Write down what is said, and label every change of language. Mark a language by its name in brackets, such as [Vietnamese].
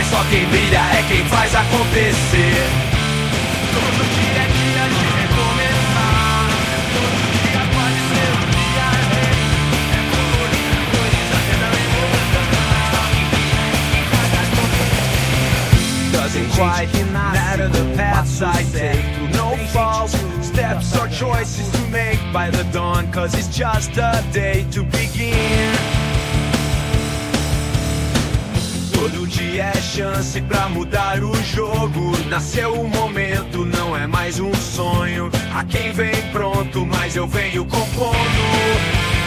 [Portuguese] Quem brilha é quem faz acontecer. Todo dia é dia de recomeçar. Todo dia pode ser um dia a ver. É colorida, coisa que dá em volta. [English] Doesn't quite matter the paths I take. No faults, steps or choices to make by the dawn, cause it's just a day to begin. [Portuguese] Todo dia é chance pra mudar o jogo. Nasceu o momento, não é mais um sonho. Há quem vem pronto, mas eu venho compondo.